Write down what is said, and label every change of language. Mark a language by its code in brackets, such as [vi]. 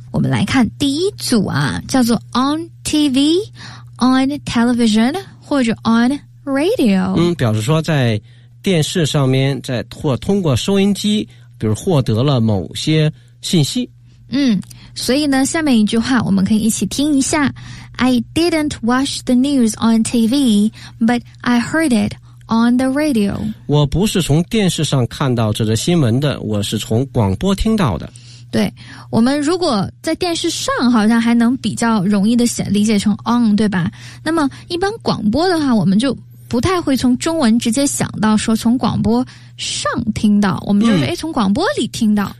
[zh] 我们来看第一组啊，叫做 on TV、on television 或者 on radio。表示说在电视上面，在或通过收音机，比如获得了某些信息。所以呢，下面一句话我们可以一起听一下。 [en] I didn't watch the news on TV, but I heard it on the radio. [zh] 我不是从电视上看到这则新闻的，我是从广播听到的。对，我们如果在电视上好像还能比较容易的写理解成 on， 对吧？那么一般广播的话，我们就不太会从中文直接想到说从广播上听到，我们就是从广播里听到。